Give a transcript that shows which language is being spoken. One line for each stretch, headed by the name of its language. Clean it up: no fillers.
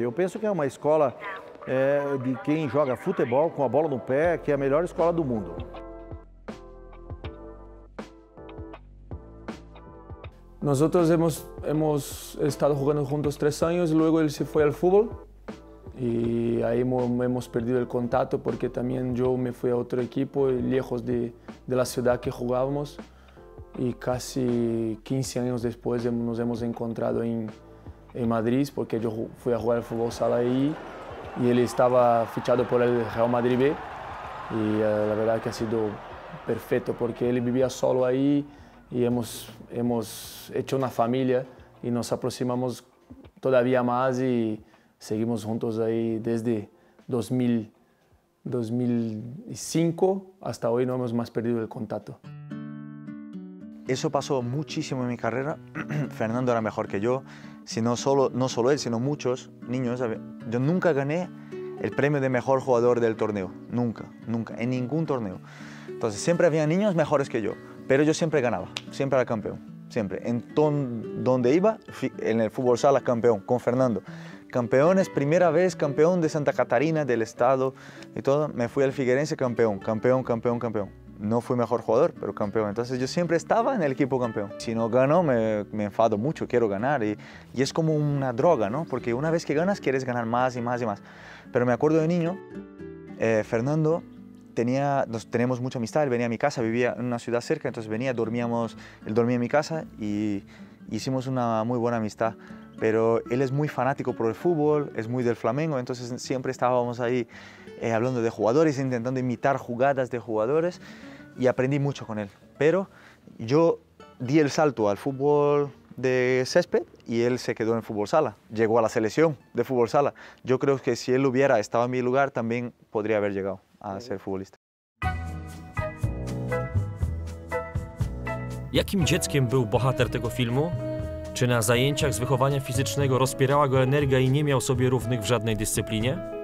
Portuguese: Eu penso que é uma escola de quem joga futebol com a bola no pé, que é a melhor escola do mundo. Nós hemos estado jogando juntos 3 anos, logo ele se foi ao futebol.
Spanish: Y ahí hemos perdido el contacto porque también yo me fui a otro equipo lejos de la ciudad que jugábamos y casi 15 años después nos hemos encontrado en Madrid porque yo fui a jugar al fútbol sala ahí y él estaba fichado por el Real Madrid B y la verdad que ha sido perfecto porque él vivía solo ahí y hemos hecho una familia y nos aproximamos todavía más y seguimos juntos
Portuguese: aí desde 2005 até hoje, não hemos mais perdido o contato. Isso passou muitíssimo em minha carreira. Fernando era melhor que eu, não só ele, sino muitos niños. Eu nunca ganhei o prêmio de melhor jogador do torneio, nunca, em nenhum torneio. Então, sempre havia niños melhores que eu, mas eu sempre ganhava, sempre era campeão, sempre. Então, onde ia, no futebol sala, campeão, com Fernando. Campeões, primeira vez campeão de Santa Catarina, do estado e todo. Me fui ao Figueirense campeão, campeão, campeão, campeão. Não fui melhor jogador, mas campeão. Então eu sempre estava no equipo campeão. Se não ganho, me enfado muito, quero ganhar. E é como uma droga, não? Porque uma vez que ganas, queres ganhar mais e mais e mais. Mas me acordo de niño, Fernando, nós tínhamos muita amizade, ele vinha a minha casa, vivia em uma cidade cerca, então vinha, dormíamos, ele dormia em minha casa e hicimos uma muito boa amizade.
Spanish: Pero él es muy fanático por el fútbol, es muy del Flamengo, entonces siempre estábamos ahí hablando de jugadores, intentando imitar jugadas de jugadores y aprendí mucho con él. Pero yo di el salto al fútbol de césped y él se quedó en fútbol sala. Llegó a la selección de fútbol sala. Yo creo que si él hubiera estado en mi lugar también podría haber llegado a ser futbolista.
Polish: ¿Jakim dzieckiem był bohater tego filmu? Czy na zajęciach z wychowania fizycznego rozpierała go energia i nie miał sobie równych w żadnej dyscyplinie?